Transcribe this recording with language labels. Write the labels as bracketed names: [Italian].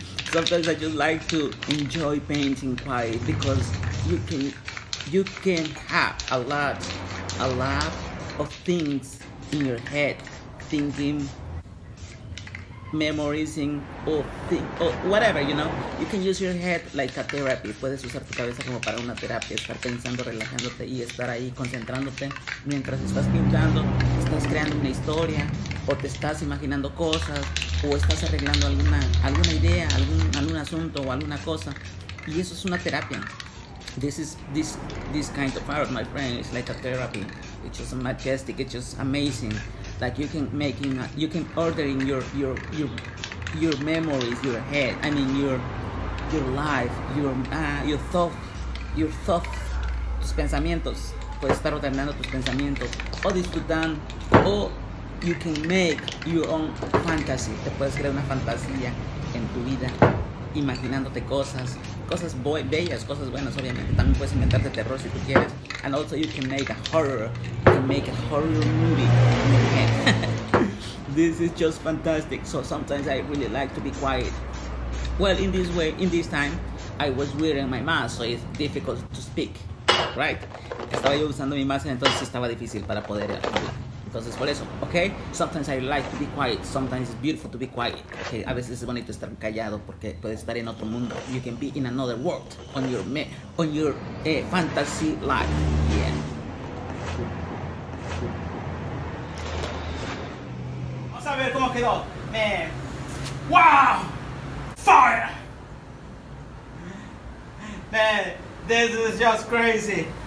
[English] Sometimes I just like to enjoy painting quiet because you can have a lot of things in your head, thinking, memorizing, or think, or whatever, you know. You can use your head like a therapy. [Spanish] Puedes usar tu cabeza como para una terapia, estar pensando, relajándote y estar ahí concentrándote mientras estás pintando, estás creando una historia, o te estás imaginando cosas, o estás arreglando alguna idea, algún asunto o alguna cosa, y eso es una terapia. [English] This kind of art, my friend, is like a therapy. It's just majestic, it's just amazing. Like you can order in your memories, your head, I mean your life, your thoughts, [Spanish] tus pensamientos. Puedes estar ordenando tus pensamientos, o disfrutando, o [English] you can make your own fantasy. [Spanish] Te puedes crear una fantasía en tu vida, imaginándote cosas bellas, cosas buenas, obviamente. También puedes inventarte terror si tú quieres. [English] And also you can make a horror. Make a horror movie. This is just fantastic. So sometimes I really like to be quiet. Well, in this way, in this time, I was wearing my mask, so it's difficult to speak, right? [Spanish] Estaba yo usando mi máscara, entonces estaba difícil para poder hablar. Entonces por eso, okay? [English] Sometimes I like to be quiet. Sometimes it's beautiful to be quiet. Okay, [Spanish] a veces es bonito estar callado porque puedes estar en otro mundo. [English] You can be in another world on your fantasy life. Yeah. [Spanish] A ver cómo quedó. [English] Man, wow, fire, man, this is just crazy.